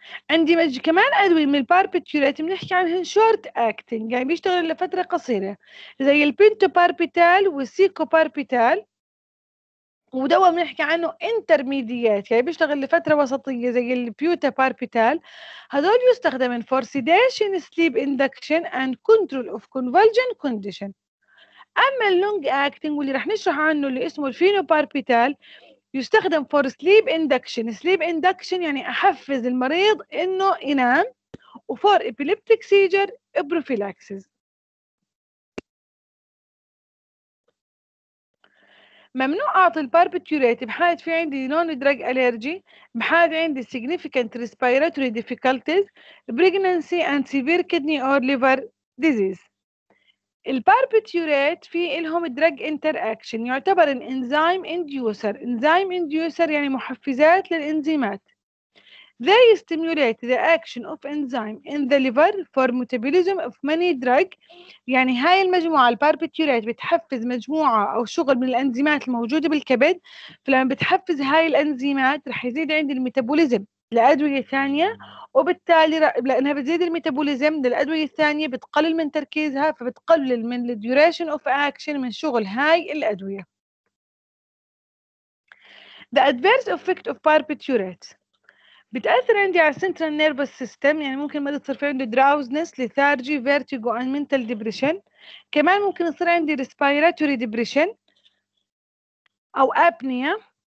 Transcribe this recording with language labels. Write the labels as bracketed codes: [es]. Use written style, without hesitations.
[ar] عندي كمان أدوية من الباربيتوريت بنحكي عنها short acting يعني بيشتغل لفترة قصيرة، زي البنتوباربيتال والسيكوباربيتال، ودواء بنحكي عنه intermediate يعني بيشتغل لفترة وسطية زي البيوتاباربيتال. هذول يستخدمون [en] for sedation, sleep induction and control of convulsion condition. [ar] أما long acting واللي رح نشرح عنه اللي اسمه الفينوباربيتال، يستخدم [en] for sleep induction. sleep induction [ar] يعني أحفز المريض إنه ينام، و [en] for epileptic seizure prophylaxis. [ar] ممنوع أعطي الباربيتوريت بحالة في عندي [en] non drug allergy, [ar] بحالة عندي [en] significant respiratory difficulties, pregnancy and severe kidney or liver disease. [ar] الباربيتوريت في إلهم الدراج انتر اكشن، يعتبر انزيم انديوسر. انزيم انديوسر يعني محفزات للانزيمات. [en] they stimulate the action of enzyme in the liver for metabolism of many drug. [ar] يعني هاي المجموعة الباربيتوريت بتحفز مجموعة أو شغل من الانزيمات الموجودة بالكبد، فلما بتحفز هاي الانزيمات رح يزيد عند الميتابوليزم لأدوية ثانية، وبالتالي لأنها بتزيد الميتابوليزم للأدوية الثانية بتقلل من تركيزها، فبتقلل من duration of action من شغل هاي الأدوية. [en] The adverse effect of barbiturates [ar] بتأثر عندي على [en] central nervous system، [ar] يعني ممكن ما تصير في عندي [en] drowsiness, lethargy, vertigo and mental depression. [ar] كمان ممكن يصير عندي respiratory depression أو apnea.